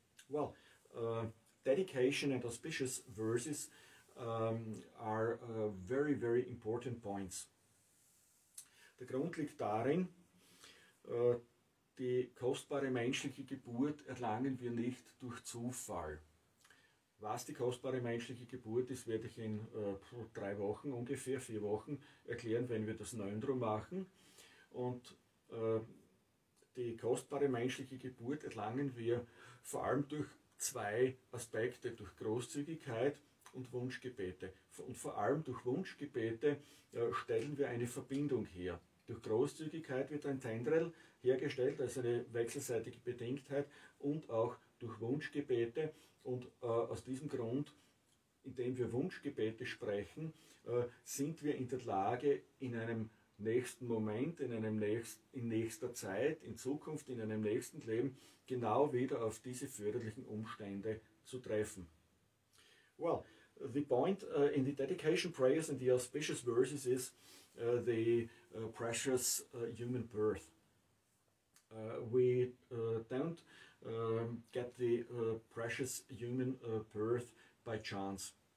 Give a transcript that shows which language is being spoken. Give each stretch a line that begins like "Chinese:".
English: Well, dedication and auspicious verses are very, very important points.
German: Der Grund liegt darin, die kostbare menschliche Geburt erlangen wir nicht durch Zufall. Was die kostbare menschliche Geburt ist, werde ich in drei Wochen, ungefähr vier Wochen, erklären, wenn wir das Neundrum machen. Und die kostbare menschliche Geburt erlangen wir vor allem durch zwei Aspekte, durch Großzügigkeit und Wunschgebete. Und vor allem durch Wunschgebete stellen wir eine Verbindung her. Durch Großzügigkeit wird ein Tendril hergestellt, also eine wechselseitige Bedingtheit, und auch durch Wunschgebete. Und aus diesem Grund, indem wir Wunschgebete sprechen, sind wir in der Lage, in einem nächsten Moment, in nächster Zeit, in Zukunft, in einem nächsten Leben, genau wieder auf diese förderlichen Umstände zu treffen.
English: Well, the point in the dedication prayers and the auspicious verses is the precious human birth. We don't get the precious human birth by chance.